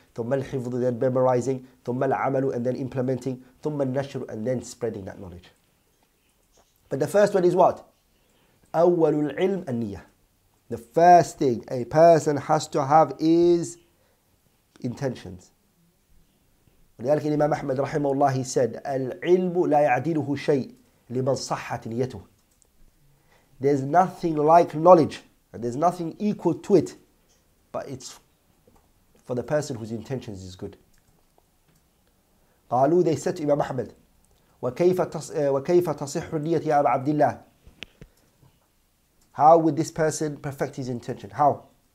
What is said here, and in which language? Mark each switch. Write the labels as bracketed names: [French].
[Arabic] ثم الحفظ, [English] then memorizing. [Arabic] ثم العمل, [English] and then implementing. [Arabic] ثم النشر, [English] and then spreading that knowledge. But the first one is what? [Arabic] أول العلم النية. [English] The first thing a person has to have is intentions. [Arabic] لذلك الإمام أحمد رحمه الله, [English] he said, [Arabic] العلم لا يعدله شيء لمن صحت نيته. [English] There's nothing like knowledge, and there's nothing equal to it, but it's for the person whose intentions is good. [Arabic] قالوا, [English] they said to Imam Ahmad, [Arabic] وكيف تصح النية يا أبا عبد الله؟ [English] How would this person perfect his intention? How?